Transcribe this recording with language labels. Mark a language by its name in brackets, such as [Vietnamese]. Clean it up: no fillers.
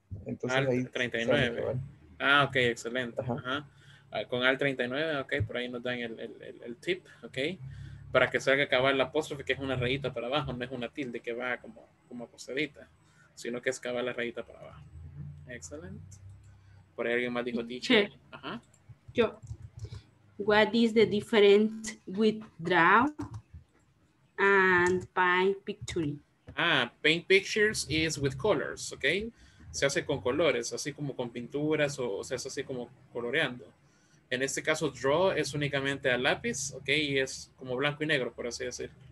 [Spanish] Entonces, al ahí 39. Ah, ok, excelente. Ajá. Con al 39, ok, por ahí nos dan el tip, ok. Para que salga cabal la apóstrofe, que es una rayita para abajo, no es una tilde que va como acostadita, sino que es cabal la rayita para abajo. Excelente. Por ahí alguien más dijo teacher. Yo. [English] What is the difference with draw and paint picture? Ah, paint pictures is with colors, ok. [Spanish] Se hace con colores, así como con pinturas o se hace así como coloreando. En este caso, draw es únicamente a lápiz, ok, y es como blanco y negro, por así decir.